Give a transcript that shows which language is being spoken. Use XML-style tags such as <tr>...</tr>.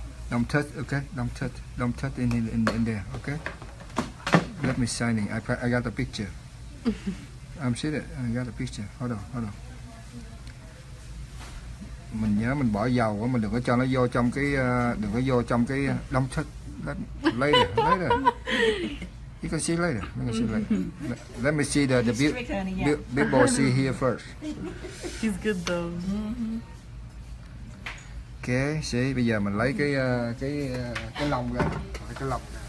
<en>Don't touch, okay? Don't touch. Don't touch in there, okay? Let me sign it. I got the picture. I'm see it. I got the picture. Hold on.</en> <vi>Mình nhớ mình bỏ dầu á, mình đừng có cho nó vô trong cái</vi> <en>don't touch. Later. You can see later. Let me see the people see here first. He's good though. Ok, see,</en> <vi>bây giờ mình lấy cái lồng ra, cái lồng.</vi>